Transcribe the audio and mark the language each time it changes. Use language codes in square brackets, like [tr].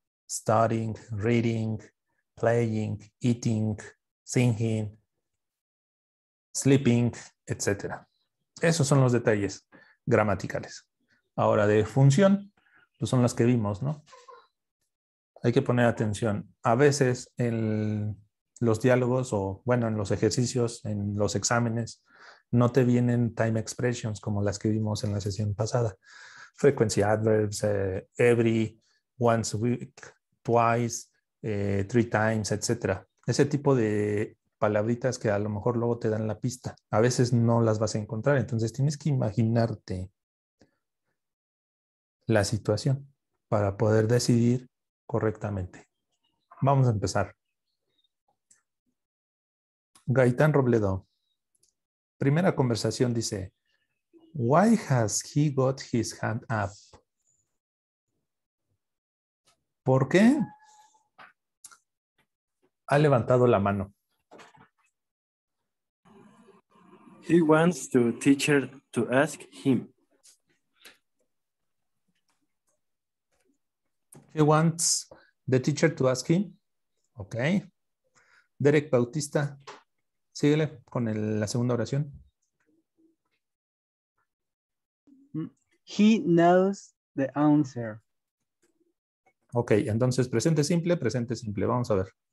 [en] Studying, reading, playing, eating, singing, sleeping, etc. [es] Esos son los detalles gramaticales. Ahora de función, pues son las que vimos, ¿no? Hay que poner atención. A veces en los diálogos o, bueno, en los ejercicios, en los exámenes, no te vienen time expressions como las que vimos en la sesión pasada. [en] Frequency adverbs, every, once a week, twice, three times, etc. [es] Ese tipo de palabritas que a lo mejor luego te dan la pista. A veces no las vas a encontrar. Entonces tienes que imaginarte la situación para poder decidir correctamente. Vamos a empezar. Gaitán Robledo. Primera conversación dice, [en] why has he got his hand up? [es] ¿Por qué ha levantado la mano? [en] He wants the teacher to ask him. He wants the teacher to ask him. Ok. [es] Derek Bautista, síguele con la segunda oración. [en] He knows the answer. [es] Ok, entonces presente simple, presente simple. Vamos a ver.